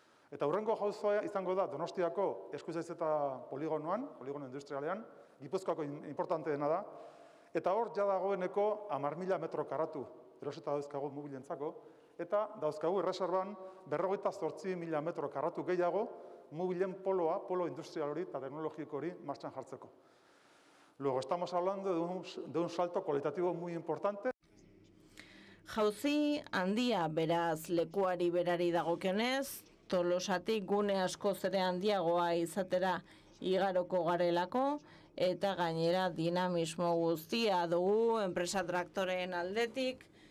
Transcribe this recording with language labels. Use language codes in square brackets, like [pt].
[eu] Eta urrengo jauzia izango da Donostiako eskuzaiz eta poligonoan, poligono industrialean, Gipuzkoako importanteena da, eta hor jadagoeneko 10.000 metro karratu erosita dauzkagu mugilentzako, eta dauzkagu erreserban 48.000 metro karratu gehiago mugilen poloa, polo industrial hori eta teknologiko hori martxan jartzeko. [es] Luego, estamos hablando de un salto cualitativo muy importante. [eu] Jauzi handia beraz lekuari berari dagokionez, Tolosatik gune askoz ere handiagoa izatera igaroko garelako, eta gainera dinamismo guztia dugu enpresa traktoreen aldetik,